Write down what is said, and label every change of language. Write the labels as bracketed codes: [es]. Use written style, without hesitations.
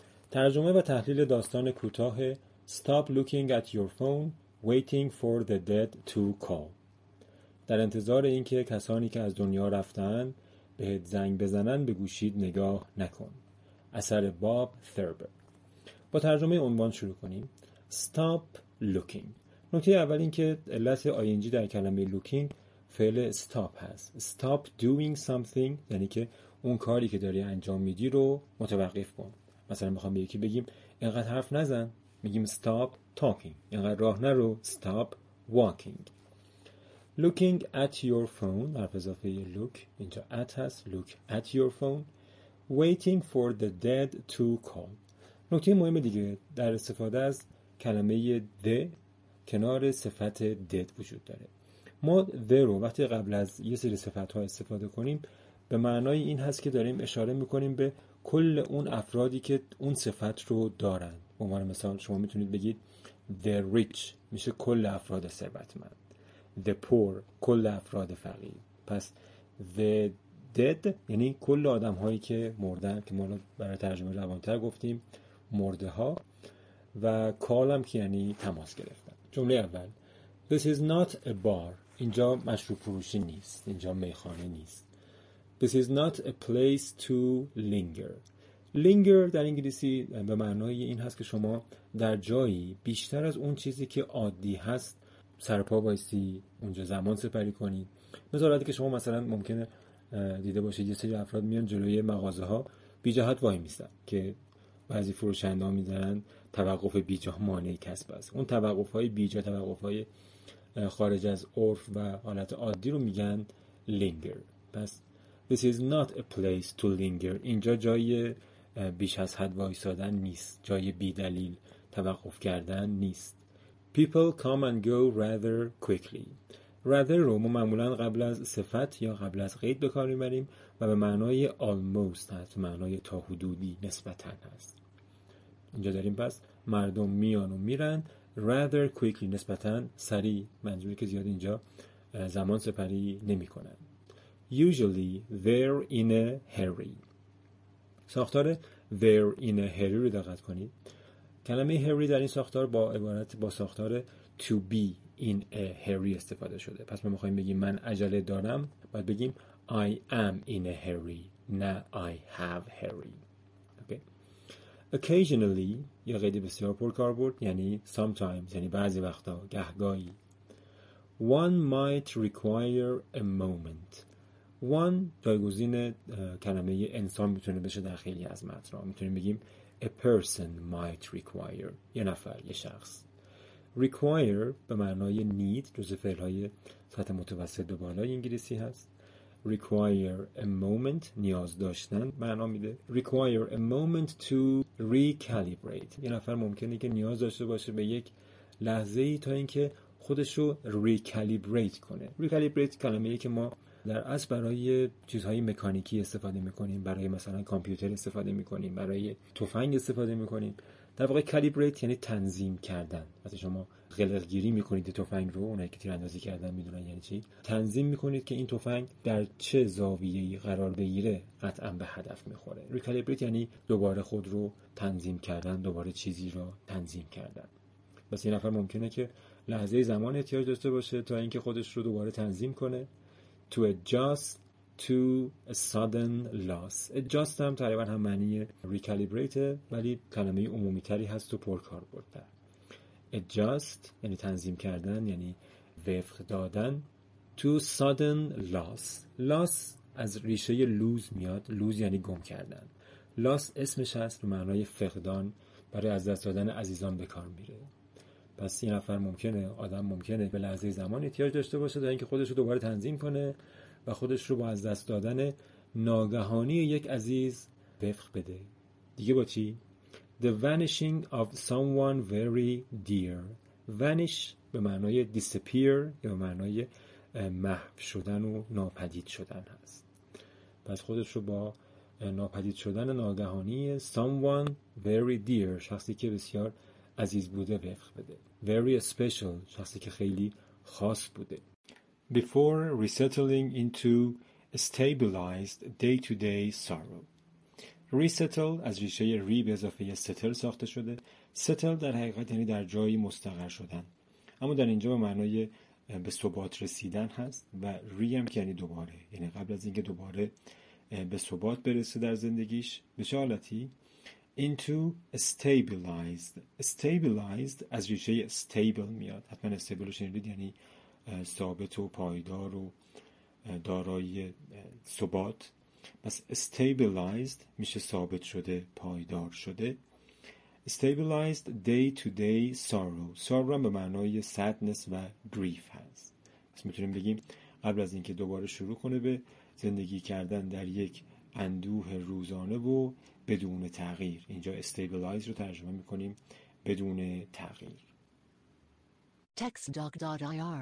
[fa] ترجمه و تحلیل داستان کوتاه [en] Stop Looking at Your Phone, Waiting for the Dead to Call. [fa] در انتظار اینکه کسانی که از دنیا رفتن بهت زنگ بزنن به گوشید نگاه نکن. اثر باب ثربر. با ترجمه عنوان شروع کنیم. [en] Stop Looking. [fa] نکته اول اینکه علت ing در کلمه looking فعل stop هست. [en] Stop doing something [fa] یعنی که اون کاری که داری انجام میدی رو متوقف کن. مثلا میخوام به یکی بگیم اینقدر حرف نزن، میگیم [en] stop talking. [fa] اینقدر راه نرو، [en] stop walking. Looking at your phone، [fa] حرف اضافه look اینجا at هست، [en] look at your phone. Waiting for the dead to call. [fa] نکته مهم دیگه در استفاده از کلمه the کنار صفت dead وجود داره. ما the رو وقتی قبل از یه سری صفت ها استفاده کنیم به معنای این هست که داریم اشاره میکنیم به کل اون افرادی که اون صفت رو دارن. به عنوان مثال شما میتونید بگید [en] the rich [fa] میشه کل افراد ثروتمند، [en] the poor [fa] کل افراد فقیر. پس [en] the dead [fa] یعنی کل آدم هایی که مردن، که ما رو برای ترجمه لبانتر گفتیم مرده ها، و call هم که یعنی تماس گرفتن. جمله اول، [en] this is not a bar، [fa] اینجا مشروب فروشی نیست، اینجا میخانه نیست. [en] This is not a place to linger. [fa] Linger در انگلیسی به معنای این هست که شما در جایی بیشتر از اون چیزی که عادی هست سرپا بایستی اونجا زمان سپری کنی. مثلا که شما مثلا ممکنه دیده باشید یه سری افراد میان جلوی مغازه ها بی جهت وای میستن، که بعضی فروشنده ها میذارن توقف بی جا مانع کسب است. اون توقف های بی جا، توقف های خارج از عرف و حالت عادی رو میگن linger. [en] پس This is not a place to linger. [fa] اینجا جای بیش از حد وایسادن نیست. جای بی دلیل توقف کردن نیست. [en] People come and go rather quickly. [fa] Rather رو ما معمولاً قبل از صفت یا قبل از قید به کار می‌بریم و به معنای almost هست. معنای تا حدودی نسبتاً هست. اینجا داریم پس مردم میان و میرن [en] rather quickly [fa] نسبتاً سریع. منظوری که زیاد اینجا زمان سپری نمی کنن. [en] Usually they're in a hurry. [fa] ساختار [en] they're in a hurry [fa] رو دقت کنید. کلمه hurry در این ساختار با عبارت با ساختار [en] to be in a hurry [fa] استفاده شده. پس ما می‌خوایم بگیم من عجله دارم، باید بگیم [en] I am in a hurry، [fa] نه [en] I have hurry. Okay. [fa] Occasionally یا قید بسیار پرکاربرد یعنی sometimes یعنی بعضی وقتا، گهگاهی. [en] One might require a moment. [fa] One جایگزین کلمه انسان میتونه بشه در خیلی از متن‌ها. میتونیم بگیم a person might require، یه نفر، یه شخص. Require به معنای need جزء فعل‌های سطح متوسط به بالای انگلیسی هست. [en] Require a moment، [fa] نیاز داشتن معنا میده. [en] Require a moment to recalibrate، [fa] یه نفر ممکنه که نیاز داشته باشه به یک لحظه‌ای تا اینکه خودشو recalibrate کنه. Recalibrate کلمه‌ایه که ما در اصل برای چیزهای مکانیکی استفاده میکنیم، برای مثلا کامپیوتر استفاده میکنیم، برای تفنگ استفاده میکنیم. در واقع کالیبریت یعنی تنظیم کردن. وقتی شما قلقگیری میکنید تفنگ رو، اونایی که تیراندازی کردن میدونن یعنی چی، تنظیم میکنید که این تفنگ در چه زاویه‌ای قرار بگیره قطعا به هدف میخوره. ریکالیبریت یعنی دوباره خود رو تنظیم کردن، دوباره چیزی رو تنظیم کردن. بس این نفر ممکنه که لحظه زمان احتیاج داشته باشه تا اینکه خودش رو دوباره تنظیم کنه. [en] To adjust to a sudden loss. [fa] Adjust هم تقریبا هم معنی recalibrate ولی کلمه عمومی تری هست و پرکاربردتر. Adjust یعنی تنظیم کردن، یعنی وفق دادن. [en] To sudden loss. [fa] Loss از ریشه lose میاد. Lose یعنی گم کردن. Loss اسمش هست به معنای فقدان، برای از دست دادن عزیزان به کار میره. پس این نفر ممکنه، آدم ممکنه به لحظه زمان احتیاج داشته باشه تا اینکه خودش رو دوباره تنظیم کنه و خودش رو با از دست دادن ناگهانی یک عزیز وفق بده. دیگه با چی؟ [en] The vanishing of someone very dear. [fa] Vanish به معنای disappear یا به معنای محو شدن و ناپدید شدن هست. پس خودش رو با ناپدید شدن ناگهانی [en] someone very dear، [fa] شخصی که بسیار عزیز بوده، وفق بده. [en] Very special، [fa] شخصی که خیلی خاص بوده. [en] Before resettling into a stabilized day-to-day sorrow. [fa] resettle از ریشه ری به اضافه settle ساخته شده. settle در حقیقت یعنی در جایی مستقر شدن، اما در اینجا به معنای به ثبات رسیدن هست و ری هم که یعنی دوباره، یعنی قبل از اینکه دوباره به ثبات برسه در زندگیش به چه حالتی؟ [en] into stabilized. [fa] stabilized از ریشه stable میاد، حتما stable شنیدید، یعنی ثابت و پایدار و دارای ثبات. پس stabilized میشه ثابت شده، پایدار شده. [en] stabilized day to day sorrow. [fa] sorrow به معنای sadness و grief هست. پس میتونیم بگیم قبل از اینکه دوباره شروع کنه به زندگی کردن در یک اندوه روزانه و بدون تغییر، اینجا stabilized رو ترجمه میکنیم بدون تغییر. [en] text doc.ir